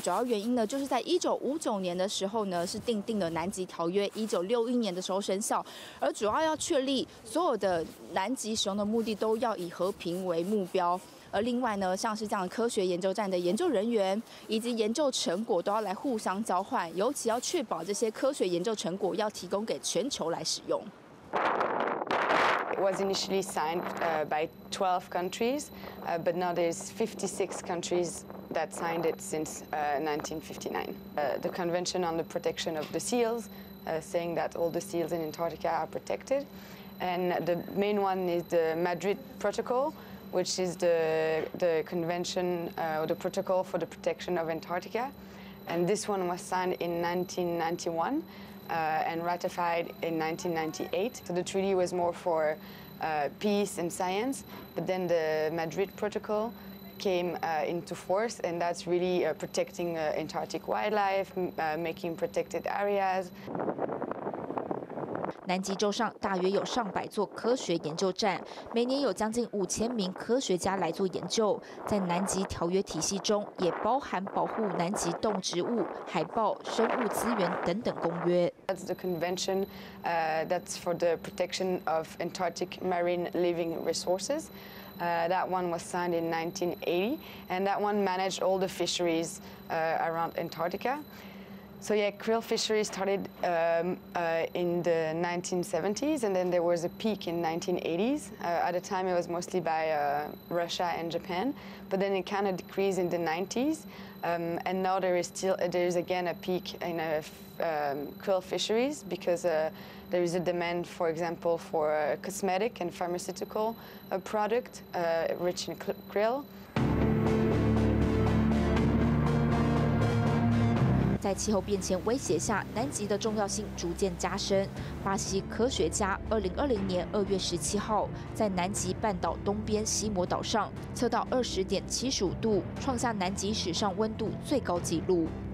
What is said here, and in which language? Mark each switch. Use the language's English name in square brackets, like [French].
[Chinese] 主要原因呢，就是在1959年的时候呢是订了南极条约，1961年的时候生效，而主要要确立所有的南极使用的目的都要以和平为目标。而另外呢，像是这样科学研究站的研究人员以及研究成果都要来互相交换，尤其要确保这些科学研究成果要提供给全球来使用。 [English] It was initially signed by 12 countries, but now there's 56 countries that signed it since 1959. The Convention on the Protection of the Seals, saying that all the seals in Antarctica are protected, and the main one is the Madrid Protocol. Which is the convention or the protocol for the protection of Antarctica, and this one was signed in 1991 and ratified in 1998. So the treaty was more for peace and science, but then the Madrid Protocol came into force, and that's really protecting Antarctic wildlife, making protected areas. [Chinese] 南极洲上大约有上百座科学研究站，每年有将近5000名科学家来做研究。在南极条约体系中，也包含保护南极动植物、海豹、生物资源等等公约。 [English] That's the convention, that's for the protection of Antarctic marine living resources. That one was signed in 1980, and that one managed all the fisheries, around Antarctica. So yeah, krill fishery started in the 1970s, and then there was a peak in 1980s. At the time, it was mostly by Russia and Japan, but then it kind of decreased in the 90s. And now there is again a peak in krill fisheries because there is a demand, for example, for cosmetic and pharmaceutical product rich in krill. [Chinese] 在气候变迁威胁下，南极的重要性逐渐加深。巴西科学家2020年2月17号在南极半岛东边西摩岛上测到20.75度，创下南极史上温度最高纪录。